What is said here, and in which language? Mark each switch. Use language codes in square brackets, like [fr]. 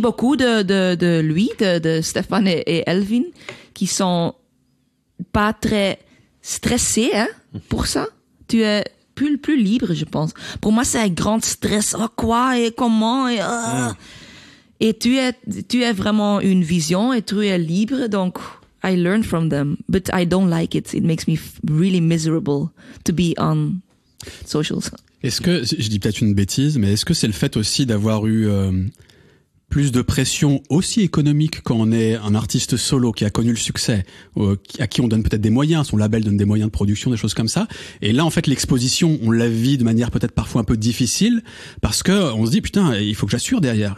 [fr] beaucoup de lui, de Stéphane et Elvin, qui sont pas très stressé, hein, pour ça. Tu es plus libre, je pense. Pour moi, c'est un grand stress. Oh, quoi et comment et, Et tu es vraiment une vision et tu es libre, donc [en] I learn from them. But I don't like it. It makes me really miserable to be on socials. [fr] Est-ce que, je dis peut-être une bêtise, mais est-ce que c'est le fait aussi d'avoir eu plus de pression aussi économique quand on est un artiste solo qui a connu le succès, à qui on donne peut-être des moyens, son label donne des moyens de production, des choses comme ça. Et là, en fait, l'exposition, on la vit de manière peut-être parfois un peu difficile parce que on se dit, putain, il faut que j'assure derrière.